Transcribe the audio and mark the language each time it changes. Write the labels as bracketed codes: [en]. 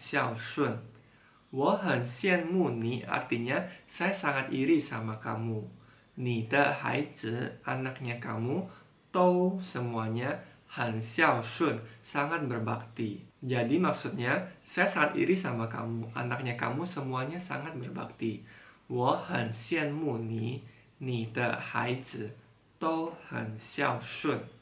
[zh] 都很孝顺，我很羡慕你，你的孩子都很孝顺。我很羡慕你， [id] artinya saya sangat iri sama kamu. [zh] 你的孩子, [id] anaknya kamu, [zh] 都, [id] semuanya, [zh] 很孝顺, [id] sangat berbakti. Jadi maksudnya, saya sangat iri sama kamu, anaknya kamu semuanya sangat berbakti. [zh] 我很羡慕你, 你的孩子都很孝顺.